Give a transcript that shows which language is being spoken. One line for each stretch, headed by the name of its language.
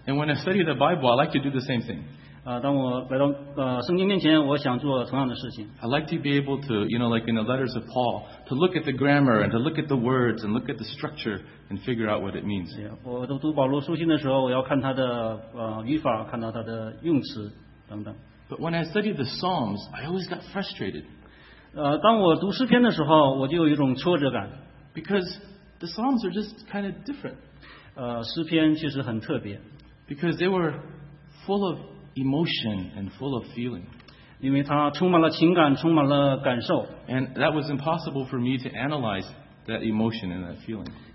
English: And when I study the Bible, I like to do the same thing.
Chinese: 当我来到圣经面前，我想做同样的事情。
English: I like to be able to, you know, like in the letters of Paul, to look at the grammar and to look at the words and look at the structure and figure out what it means.
Chinese: 我读保罗书信的时候，我要看他的语法，看到他的用词等等。
English: But when I studied the Psalms, I always got frustrated.
Chinese: 当我读诗篇的时候，我就有一种挫折感。
English: Because the Psalms are just kind of different.
Chinese: 诗篇其实很特别。
English: Because they were full of emotion and full of feeling.
Chinese: 因为它充满了情感，充满了感受。
English: And that was impossible for me to analyze that emotion and that feeling.